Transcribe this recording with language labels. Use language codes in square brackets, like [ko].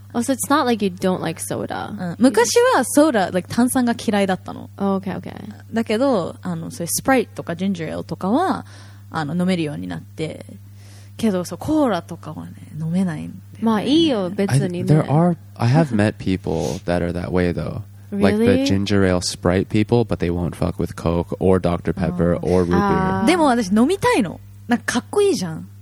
[en] Oh, so it's not like you don't like soda. [ja] 昔はソーダ, like 炭酸が嫌いだったの。 [en] Oh, okay, okay. [ja] だけど、あの、そういうスプライトとかジンジャーエールとかは、あの、飲めるようになって、けどそう、コーラとかはね、飲めない。まあ、いいよ、別に。 [en] There are, I have met people that are that way though. Really? Like the ginger ale Sprite people, but they won't fuck with Coke or Dr. Pepper or root beer. [ja] でも私飲みたいの。なんかかっこいいじゃん。